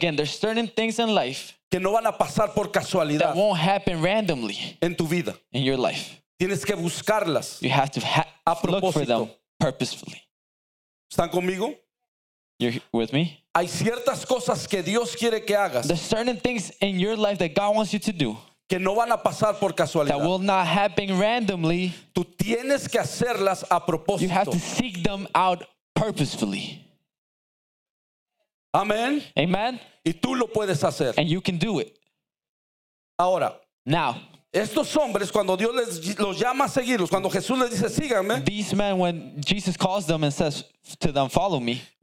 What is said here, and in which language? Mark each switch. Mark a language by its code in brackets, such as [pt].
[en] Again, there's certain things in life [es] que no van a pasar por casualidad. [en] That won't happen randomly. [es] En tu vida. [en] In your life. [es] Tienes que buscarlas. [en] You have to [es] a propósito. [en] Look for them purposefully. [es] ¿Están conmigo? [en] You're with me? [es] Hay ciertas cosas que Dios quiere que hagas. [en] There's certain things in your life that God wants you to do. [es] Que no van a pasar por casualidad. [en] That will not happen randomly. [es] Tú tienes que hacerlas a propósito. [en] You have to seek them out purposefully. Amen. Amen. [es] Y tú lo puedes hacer. [en] And you can do it. [es] Ahora. [en] Now. [es] Estos hombres, cuando Dios les los llama a seguirlos, cuando Jesús les dice, síganme. [en] These men, when Jesus calls them and says to them, follow me.